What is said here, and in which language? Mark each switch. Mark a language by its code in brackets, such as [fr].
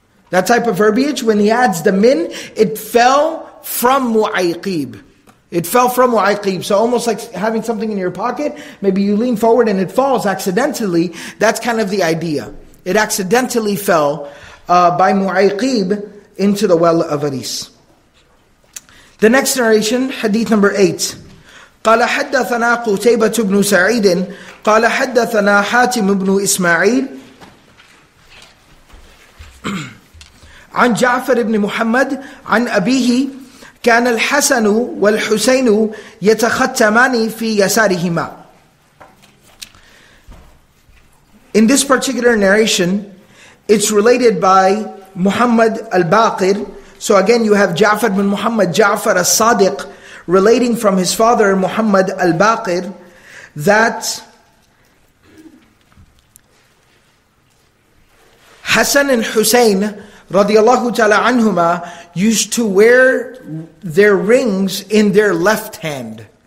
[en] That type of verbiage, when he adds the min, it fell from mu'ayqib. It fell from mu'ayqib. So almost like having something in your pocket, maybe you lean forward and it falls accidentally. That's kind of the idea. It accidentally fell by mu'ayqib into the well of Aris. The next narration, hadith number 8. [ar] قال حدثنا قتيبة بن سعيد قال حدثنا حاتم بن إسماعيل عن جعفر بن محمد عن أبيه كان الحسن والحسين يتختمان في يسارهما. [en] In this particular narration, it's related by Muhammad al-Baqir. So again, you have Ja'far bin Muhammad, Ja'far al-Sadiq, relating from his father Muhammad al-Baqir that Hassan and Hussein radiallahu ta'ala anhuma used to wear their rings in their left hand.